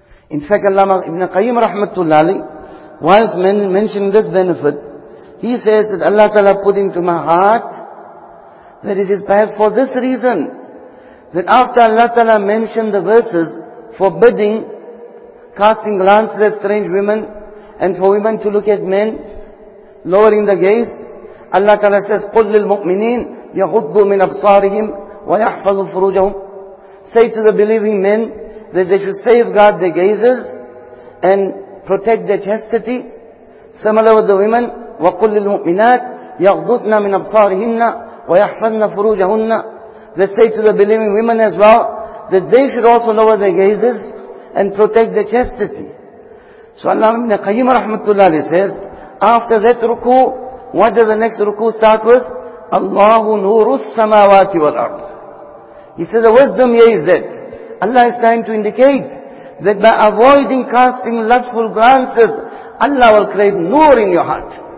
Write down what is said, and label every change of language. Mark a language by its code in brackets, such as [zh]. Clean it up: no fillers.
[en] In fact, Allama Ibn Qayyim rahmatullahi, whilst mentioning this benefit, he says that Allah Ta'ala put into my heart, that it is perhaps for this reason, that after Allah Ta'ala mentioned the verses forbidding casting glances at strange women and for women to look at men, lowering the gaze, Allah Ta'ala says, [ar] قُلْ لِلْمُؤْمِنِينَ يَغُضُّوا مِنْ أَبْصَارِهِمْ وَيَحْفَظُوا فُرُوجَهُمْ. [en] Say to the believing men that they should safeguard their gazes and protect their chastity. Similar with the women, [ar] وَقُلْ لِلْمُؤْمِنَاتِ يَغْضُطْنَا مِنْ أَبْصَارِهِنَّ وَيَحْفَظْنَا فُرُوجَهُنَّ. [en] They say to the believing women as well, that they should also lower their gazes and protect their chastity. So Allah Ibn Qayyim rahmatullahi says, after that ruku, what does the next ruku start with? [ar] Allahu nuru samawati wal ard. [en] He says, the wisdom here is that Allah is trying to indicate that by avoiding casting lustful glances, Allah will create nur in your heart.